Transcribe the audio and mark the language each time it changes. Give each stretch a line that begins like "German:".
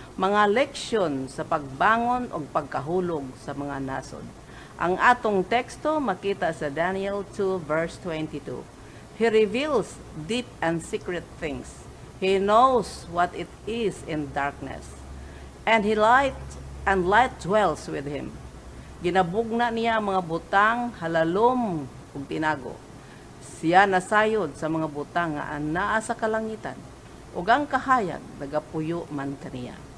Cebuano: Mga leksyon sa pagbangon og pagkahulog sa mga nasod. Ang atong teksto makita sa Daniel 2 verse 22.
English: He reveals deep and secret things. He knows what it is in darkness. And he light dwells with him.
Cebuano: Ginabugna niya ang mga butang, halalom ug tinago. Siya nasayod sa mga butang nga anaa sa kalangitan. Ug ang kahayag nagapuyo man kaniya.